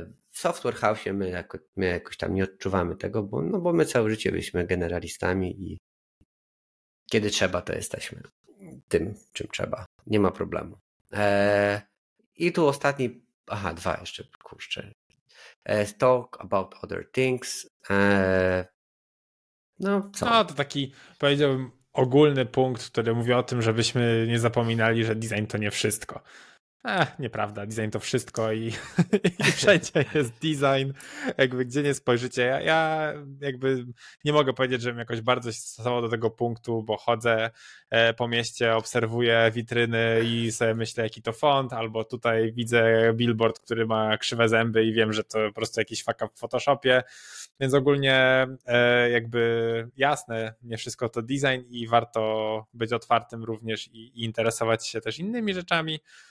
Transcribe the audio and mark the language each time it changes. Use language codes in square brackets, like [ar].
[pl] W Software House my jakoś tam nie odczuwamy tego, bo my całe życie byliśmy generalistami i kiedy trzeba, to jesteśmy tym, czym trzeba. Nie ma problemu. I tu ostatni, aha, dwa jeszcze, kurczę. [en] Talk about other things. [pl] No, co? A, to taki, powiedziałbym, ogólny punkt, który mówi o tym, żebyśmy nie zapominali, że design to nie wszystko. Nieprawda, design to wszystko i wszędzie jest design, jakby gdzie nie spojrzycie. Ja jakby nie mogę powiedzieć, żebym jakoś bardzo się stosował do tego punktu, bo chodzę po mieście, obserwuję witryny i sobie myślę, jaki to font, albo tutaj widzę billboard, który ma krzywe zęby i wiem, że to po prostu jakiś fuck up w Photoshopie, więc ogólnie jakby jasne, nie wszystko to design i warto być otwartym również i interesować się też innymi rzeczami.